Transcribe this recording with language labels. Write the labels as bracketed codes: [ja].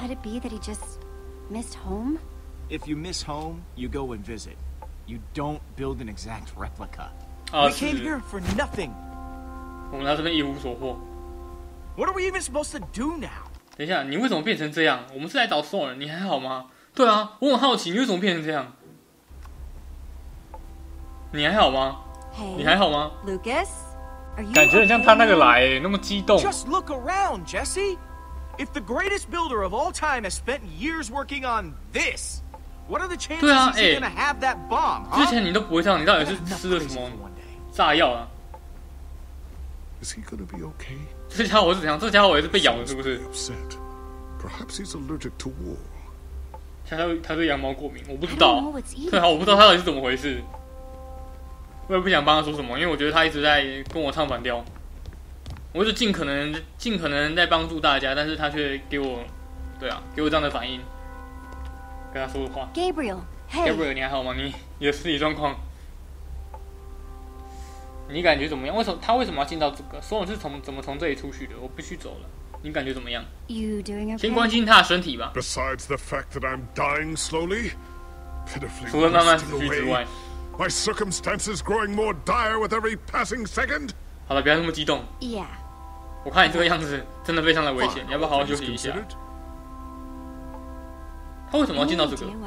[en] Could it be that he just missed home? If you miss home, you go and visit. You don't build an exact replica. We came here for nothing. [zh] 我们来这边一无所获。 [en] What are we even supposed to do now? [zh] 等一下，你为什么变成这样？我们是来找索尔，你还好吗？对啊，我很好奇，你为什么变成这样？你还好吗？ [en] Hey, [zh] 你还好吗？Lucas。感觉很像他那个来、欸，那么激动。 [en] Just look around, Jesse. If the greatest builder of all time has spent years working on this, what are the chances he's gonna have that bomb? [zh] 之前你都不会这样，你到底是吃了什么炸药啊 [en] ？Is he gonna be okay? [zh] 这家伙是怎样？这家伙也是被咬了，是不是 [en] ？Upset. Perhaps he's allergic to wool. [zh] 他对羊毛过敏，我不知道。对啊，我不知道他到底是怎么回事。我也不想帮他说什么，因为我觉得他一直在跟我唱反调。我一直尽可能在帮助大家，但是他却给我，对啊，给我这样的反应。跟他说的话。 Gabriel，你还好吗？你的身体状况？你感觉怎么样？为什么要进到这个？所有是怎么从这里出去的？我必须走了。你感觉怎么样？ [en] You doing okay？ [zh] 先关心他的身体吧。 [en] Besides the fact that I'm dying slowly， [zh] 除了慢慢死去之外。 [en] My circumstances growing more dire with every passing second. [zh] 好了，不要那么激动。 [en] Yeah. [zh] 我看你这个样子真的非常的危险，你要不要好好休息一下？他为什么要见到这个？